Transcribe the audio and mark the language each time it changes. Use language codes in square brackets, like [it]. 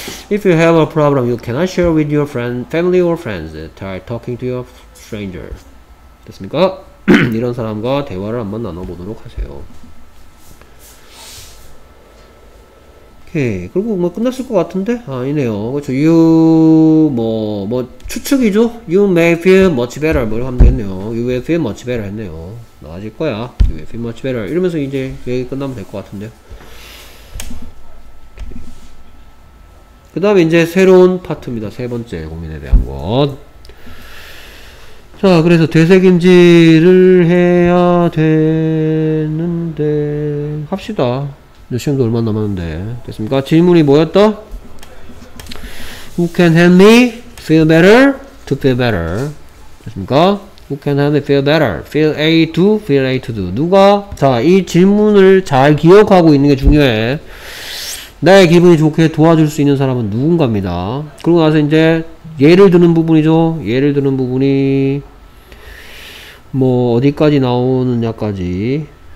[en] If you have a problem you cannot share with your friend, family or friends. Try talking to your stranger. [ko] 됐습니까? 이런 사람과 대화를 한번 나눠보도록 하세요. 오케이. 그리고 뭐 끝났을 것 같은데? 아니네요. 그렇죠. You 뭐 추측이죠? [en] You may feel much better. [ko] 뭐라고 하면 되겠네요. [en] You will feel much better 했네요. [ko] 나아질 거야. [en] You will feel much better. [ko] 이러면서 이제 얘기 끝나면 될 것 같은데. 그 다음에 이제 새로운 파트입니다. 세 번째 고민에 대한 것. 자, 그래서 되새김질을 해야 되는데 합시다. 시험도 얼마 남았는데. 됐습니까? 질문이 뭐였다? [en] Who can help me feel better to feel better? [ko] 됐습니까? [en] Who can help me feel better? Feel A to feel A to do. 누가? [ko] 자, 이 질문을 잘 기억하고 있는 게 중요해. 나의 기분이 좋게 도와줄 수 있는 사람은 누군가입니다. 그러고 나서 이제 예를 드는 부분이죠. 예를 드는 부분이 뭐 어디까지 나오느냐까지.